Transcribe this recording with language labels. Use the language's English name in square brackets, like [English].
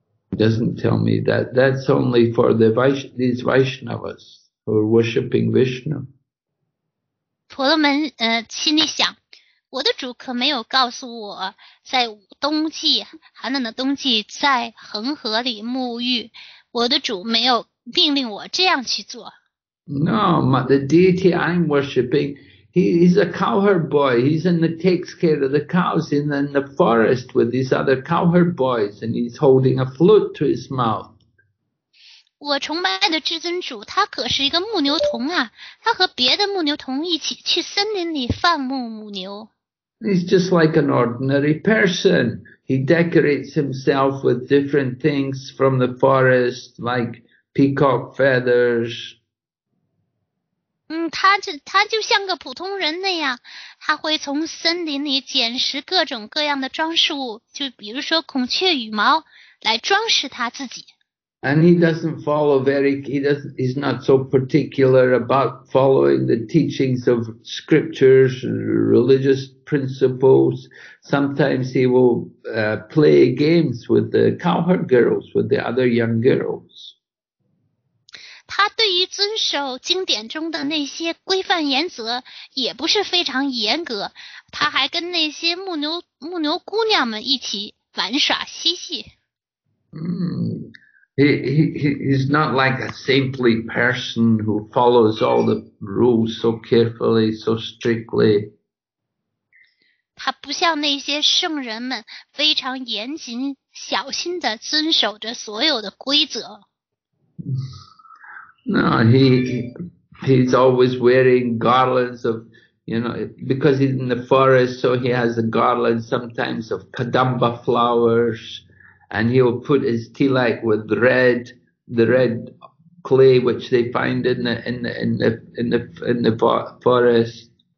[English] He doesn't tell me that. That's only for these Vaishnavas who are worshipping Vishnu. [Chinese] 婆罗门心里想，我的主可没有告诉我在冬季寒冷的冬季在恒河里沐浴，我的主没有命令我这样去做。 [English] No, the deity I'm worshipping, he's a cowherd boy. Takes care of the cows in the forest with these other cowherd boys, and he's holding a flute to his mouth. [Chinese] 我崇拜的至尊主，他可是一个牧牛童啊！他和别的牧牛童一起去森林里放牧牧牛。 [English] He's just like an ordinary person. He decorates himself with different things from the forest, like peacock feathers. [Chinese] 他就像个普通人那样，他会从森林里捡拾各种各样的装饰物，就比如说孔雀羽毛来装饰他自己。 [English] And he doesn't follow he's not so particular about following the teachings of scriptures and religious principles. Sometimes he will play games with the cowherd girls, with the other young girls. [Chinese] 他对于遵守经典中的那些规范原则也不是非常严格，他还跟那些牧牛姑娘们一起玩耍嬉戏。 [English] He's not like a saintly person who follows all the rules so carefully, so strictly. [Chinese] 他不像那些圣人们非常严谨小心地遵守着所有的规则。 [English] No, he's always wearing garlands of, you know, because he's in the forest, so he has a garland sometimes of kadamba flowers, and he'll put his tilak with the red clay which they find in the forest.